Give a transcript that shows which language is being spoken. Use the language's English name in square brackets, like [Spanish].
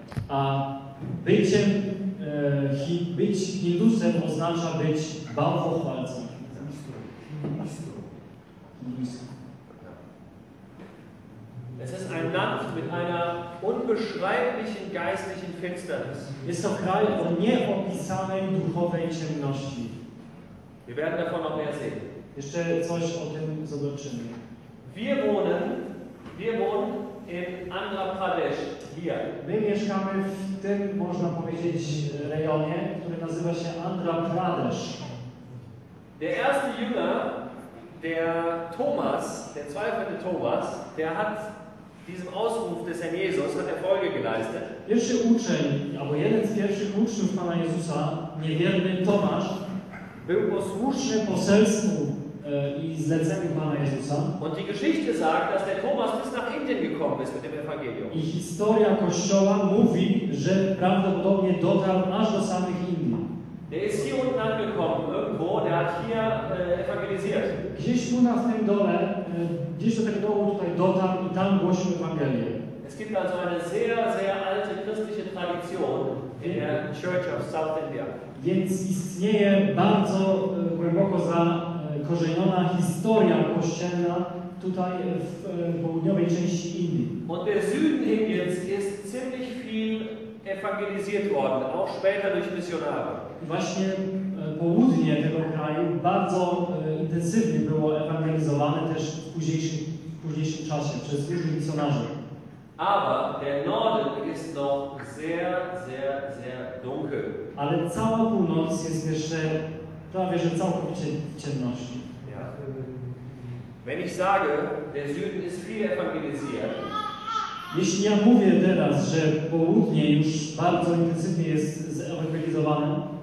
[Polish] A byciem, być Hindusem oznacza być bałwochwalcą. [German] Es ist ein Land mit einer unbeschreiblichen geistlichen Finsternis. [Polish] Jest to kraj o nieopisanej duchowej ciemności. [German] Wir werden davon noch mehr sehen. [Polish] Jeszcze coś o tym zobaczymy. [German] Wir wohnen in Andhra Pradesh, hier. [Polish] My mieszkamy w tym, można powiedzieć, rejonie, który nazywa się Andhra Pradesh. [German] Der erste Jünger, der Thomas, der zweifelnde Thomas, der hat diesem Ausruf des Herrn Jesus hat er Folge geleistet. [Polish] Pierwszy uczeń, albo jeden z pierwszych uczniów Pana Jezusa, niewierny Tomasz, był posłuszny poselstwu i zleceniu Pana Jezusa. [German] Und die Geschichte sagt, dass der Thomas bis nach Indien gekommen ist mit dem Evangelium. [Polish] I historia Kościoła mówi, że prawdopodobnie dotarł aż do samych Indii. [German] Der ist hier unten angekommen, irgendwo, der hat hier evangelisiert. [Polish] Gdzieś tu na tym dole, gdzieś do tego dołu tutaj dotarł i tam głosił Ewangelię. [German] Es gibt also eine sehr, sehr alte christliche Tradition in der Church of South India. [Polish] Więc istnieje bardzo głęboko zakorzeniona historia kościelna tutaj w południowej części Indii. [German] Und der Süden Indiens ist ziemlich viel evangelisiert worden, auch später durch Missionare. [Polish] Właśnie południe tego kraju bardzo intensywnie było ewangelizowane też w późniejszym czasie przez różnych misjonarzy. [German] Aber der Norden ist noch sehr, sehr, sehr dunkel. [Polish] Ale cała północ jest jeszcze prawie że całkowicie w ciemności. [German] Ja. Wenn ich sage, der Süden ist viel evangelisiert. [Polish] Jeśli ja mówię teraz, że południe już bardzo intensywnie jest zewangelizowane,